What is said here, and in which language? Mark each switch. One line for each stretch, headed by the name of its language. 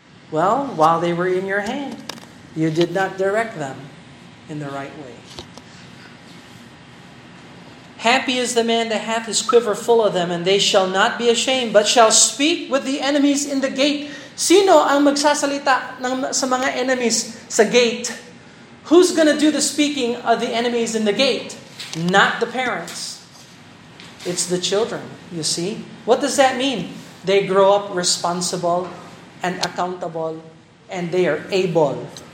English: Well, while they were in your hand, you did not direct them in the right way. Happy is the man that hath his quiver full of them, and they shall not be ashamed, but shall speak with the enemies in the gate.
Filipino: Sino ang magsasalita ng sa mga enemies sa gate?
English: Who's gonna do the speaking of the enemies in the gate? Not the parents. It's the children, you see? What does that mean? They grow up responsible and accountable, and they are able.